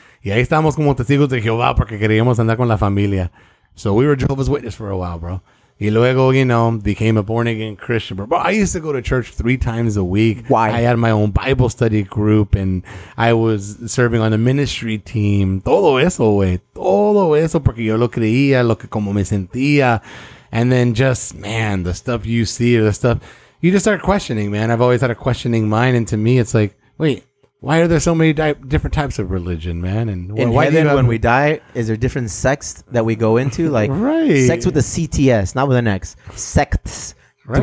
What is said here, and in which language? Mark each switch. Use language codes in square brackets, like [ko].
[es] Y ahí estábamos como testigos de Jehová porque queríamos andar con la familia. [en] So we were Jehovah's Witness for a while, bro. [es] Y luego, [en] you know, became a born-again Christian. Bro, I used to go to church 3 times a week. Why? I had my own Bible study group, and I was serving on the ministry team. [es] Todo eso, güey. Todo eso porque yo lo creía, lo que como me sentía. [en] And then just, man, the stuff you see, the stuff. You just start questioning, man. I've always had a questioning mind, and to me, it's like, wait, why are there so many different types of religion, man? And when we die, is there different sects that we go into? Like right. Sects with a CTS, not with an X. Sects, right.